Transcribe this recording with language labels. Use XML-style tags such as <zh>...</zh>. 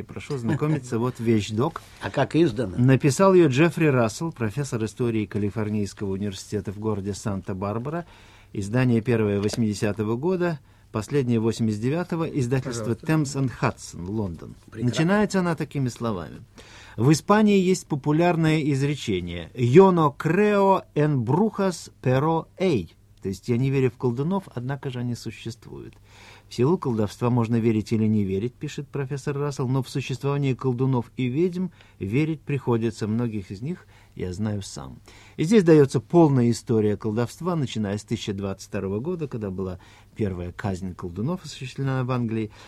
<ru>Прошу знакомиться, вот вещдок. А как издано? Написал ее Джеффри Рассел, профессор истории Калифорнийского университета в городе Санта-Барбара. Издание первое 80-го года, последнее 89-го, издательство Thames and Hudson, Лондон. Прекрасно. Начинается она такими словами. В Испании есть популярное изречение</ru> <es>«Yo no creo en brujas, pero ey».</es> <ru>То есть «я не верю в колдунов, однако же они существуют». В силу колдовства можно верить или не верить, пишет профессор Рассел, но в существование колдунов и ведьм верить приходится. Многих из них я знаю сам. И здесь дается полная история колдовства, начиная с 1022 года, когда была первая казнь колдунов, осуществлена в Англии.</ru>